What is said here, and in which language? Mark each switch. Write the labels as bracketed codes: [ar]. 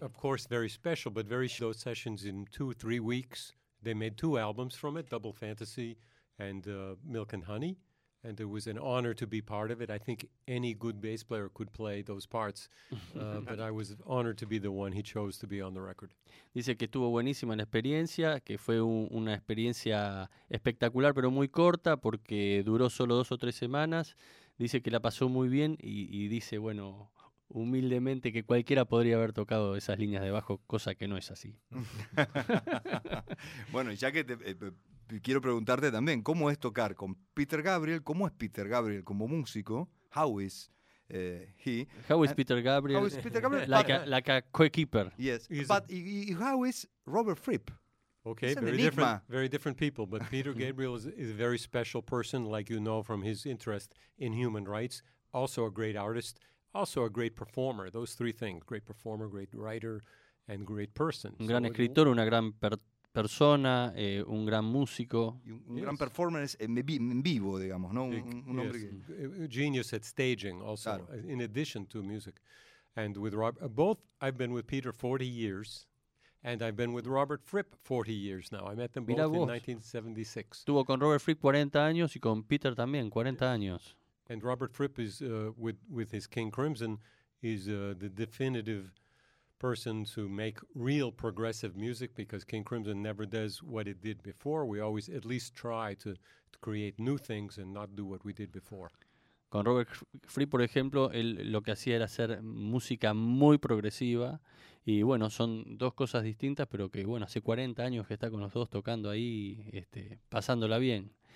[en] Of course, very special, but very short sessions in 2 or 3 weeks. They made 2 albums from it, Double Fantasy and Milk and Honey. And it was an honor to be part of it. I think any good bass player could play those parts. but I was honored to be the one he chose to be on the record. [es] Dice que estuvo buenísima la experiencia, que fue una experiencia espectacular, pero muy corta, porque duró solo 2 o 3 semanas. Dice que la pasó muy bien y dice, bueno, humildemente, que cualquiera podría haber tocado esas líneas de bajo, cosa que no es así. Bueno, ya que quiero preguntarte también, ¿cómo es tocar con Peter Gabriel? ¿Cómo es Peter Gabriel como músico? How is he? [en] How is Peter Gabriel? How is Peter Gabriel? like a co-keeper. Yes. How is Robert Fripp? Okay, very different people. But Peter Gabriel is a very special person, like you know from his interest in human rights. Also a great artist. Also a great performer. Those 3 things. Great performer, great writer, and great person. [es] Un gran escritor, una gran persona, un gran músico. Un gran performer es en vivo, digamos, ¿no? Un hombre [en] que... Genius at staging also, claro. In addition to music. And with I've been with Peter 40 years, and I've been with Robert Fripp 40 years now. I met them both in 1976. [es] Estuvo con Robert Fripp 40 años y con Peter también, 40 yes. años. [en] And Robert Fripp is, with his King Crimson, is the definitive person to make real progressive music, because King Crimson never does what it did before. We always at least try to create new things and not do what we did before. [es] Con Robert Fripp, por ejemplo, él lo que hacía era hacer música muy progresiva. Y bueno, son 2 cosas distintas, pero que bueno, hace 40 años que está con los dos tocando ahí, pasándola bien.